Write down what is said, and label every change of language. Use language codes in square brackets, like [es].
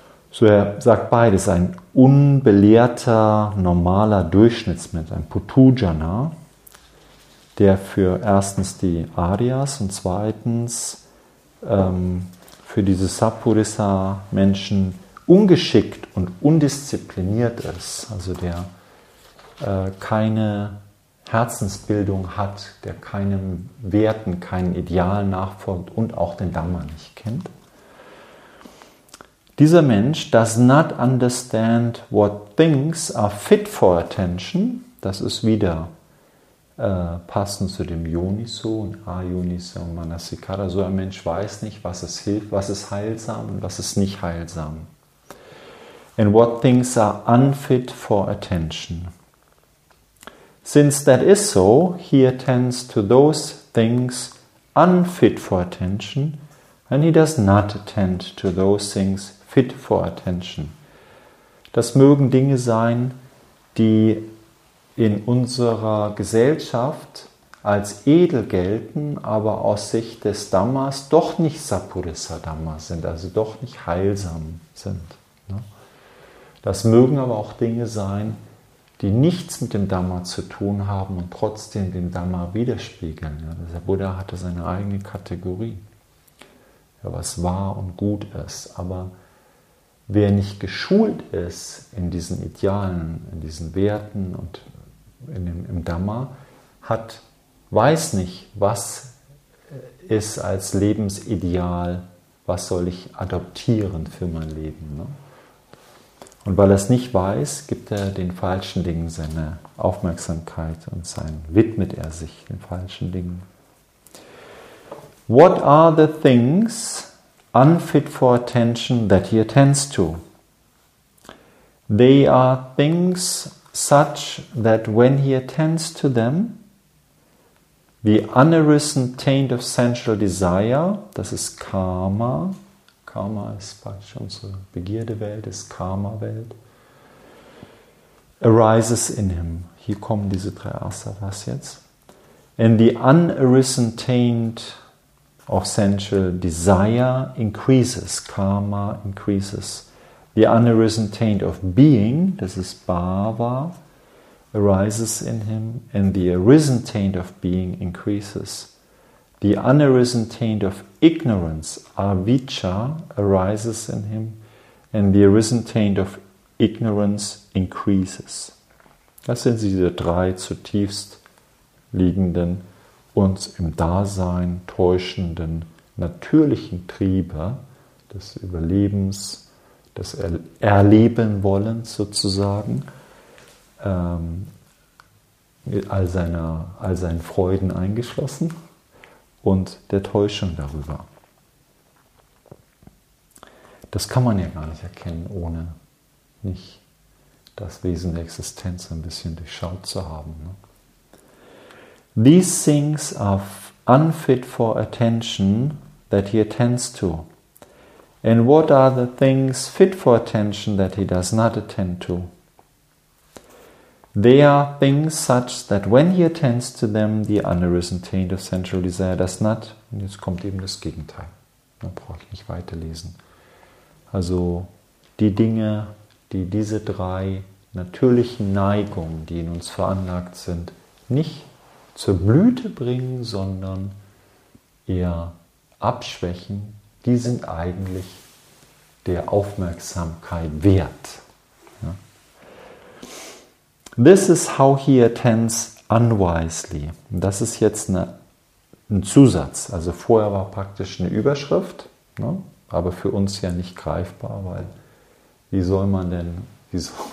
[de] So, er sagt beides, ein unbelehrter, normaler Durchschnittsmensch, ein Putujana, der für erstens die Arias und zweitens für diese Saporissa-Menschen ungeschickt und undiszipliniert ist, also der keine Herzensbildung hat, der keinem Werten, keinen Idealen nachfolgt und auch den Dhamma nicht kennt. Dieser Mensch [en] does not understand what things are fit for attention. [de] Das ist wieder passend zu dem Yoniso und Ayoniso und Manasikara. So ein Mensch weiß nicht, was es hilft, was ist heilsam und was ist nicht heilsam. [en] And what things are unfit for attention. Since that is so, he attends to those things unfit for attention and he does not attend to those things fit for attention. [de] Das mögen Dinge sein, die in unserer Gesellschaft als edel gelten, aber aus Sicht des Dhammas doch nicht Saporissa Dhamma sind, also doch nicht heilsam sind. Das mögen aber auch Dinge sein, die nichts mit dem Dhamma zu tun haben und trotzdem dem Dhamma widerspiegeln. Der Buddha hatte seine eigene Kategorie, was wahr und gut ist, aber wer nicht geschult ist in diesen Idealen, in diesen Werten und im Dhamma, weiß nicht, was ist als Lebensideal, was soll ich adoptieren für mein Leben. Ne? Und weil er es nicht weiß, gibt er den falschen Dingen seine Aufmerksamkeit und widmet er sich den falschen Dingen. [en] What are the things unfit for attention that he attends to? They are things such that when he attends to them, the unarisen taint of sensual desire, [de] das ist Karma, Karma ist praktisch unsere Begierdewelt, ist Karma-Welt, [en] arises in him. [de] Hier kommen diese drei Asavas jetzt. [en] And the unarisen taint of sensual desire increases, Karma increases. The unarisen taint of being, [de] das ist Bhava, [en] arises in him, and the arisen taint of being increases. The unarisen taint of ignorance, avicca, arises in him, and the arisen taint of ignorance increases. [de] Das sind diese drei zutiefst liegenden, uns im Dasein täuschenden, natürlichen Triebe des Überlebens, des Erlebenwollens sozusagen, all seinen Freuden eingeschlossen und der Täuschung darüber. Das kann man ja gar nicht erkennen, ohne nicht das Wesen der Existenz ein bisschen durchschaut zu haben. Ne? [en] These things are unfit for attention that he attends to. And what are the things fit for attention that he does not attend to? They are things such that when he attends to them, the unarisen taint of sensual desire does not. [de] Und jetzt kommt eben das Gegenteil. Da brauche ich nicht weiterlesen. Also die Dinge, die diese drei natürlichen Neigungen, die in uns veranlagt sind, nicht zur Blüte bringen, sondern eher abschwächen, die sind eigentlich der Aufmerksamkeit wert. [en] This is how he attends unwisely. [de] Das ist jetzt ein Zusatz. Also vorher war praktisch eine Überschrift, ne? Aber für uns ja nicht greifbar, weil wie soll man denn, wieso,